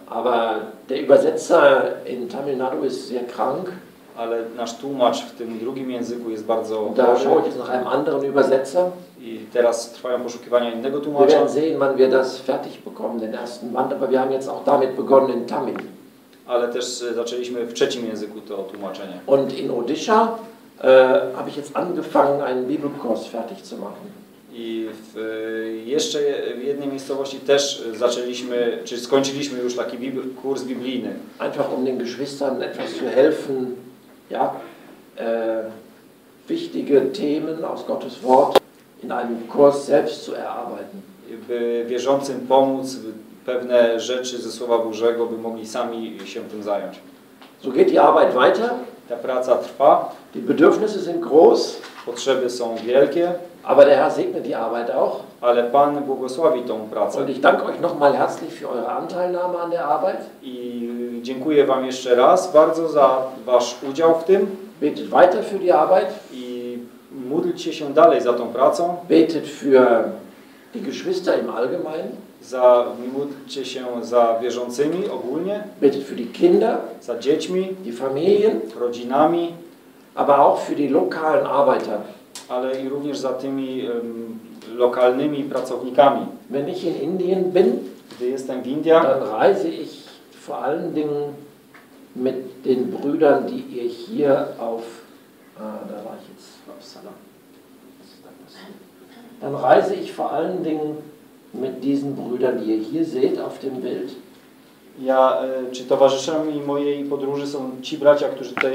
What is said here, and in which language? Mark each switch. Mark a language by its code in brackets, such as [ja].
[de] Aber der Übersetzer in Tamil Nadu ist sehr krank. [pl] Ale nasz tłumacz w tym drugim języku jest bardzo dobry. I teraz trwają poszukiwania innego tłumacza. [de] Sehen, wann wir das fertig bekommen, den ersten Band, aber wir haben jetzt auch damit begonnen in Tamil. [pl] Ale też zaczęliśmy w trzecim języku to tłumaczenie. [de] Und in Odisha habe ich jetzt angefangen einen Bibelkurs fertig zu machen. [pl] I jeszcze w jednej miejscowości też zaczęliśmy, czy skończyliśmy już taki kurs biblijny. [de] Einfach um den Geschwistern etwas zu helfen. Ja, wichtige Themen aus Gottes Wort in einem Kurs selbst zu erarbeiten. [pl] By wierzącym pomóc, pewne rzeczy ze Słowa Bożego, by mogli sami się tym zająć. [de] So geht die Arbeit weiter. [pl] Ta praca trwa. [de] Die Bedürfnisse sind groß. [pl] Potrzeby są wielkie. [de] Aber der Herr segne die Arbeit auch. [pl] Ale Pan błogosławi tą pracę. [de] Und ich danke euch nochmal herzlich für eure Anteilnahme an der Arbeit. [pl] I dziękuję wam jeszcze raz bardzo za wasz udział w tym. [de] Betet weiter für die Arbeit. [pl] I módlcie się dalej za tą pracą. [de] Betet für die Geschwister im Allgemeinen. [pl] Módlcie się za wierzącymi ogólnie. [de] Betet für die Kinder. [pl] Za dziećmi. [de] Die Familien. [pl] Rodzinami. [de] Aber auch für die lokalen Arbeiter. [pl] Ale i również za tymi lokalnymi pracownikami. [de] Wenn ich in Indien bin, [pl] gdy jestem w Indiach, [de] dann reise ich vor allen Dingen mit den Brüdern, die ihr hier auf da war ich jetzt auf Salam. Dann reise ich vor allen Dingen mit diesen Brüdern, die ihr hier seht auf dem Bild. [pl] Ja, czy towarzyszami mojej podróży są ci bracia, którzy tutaj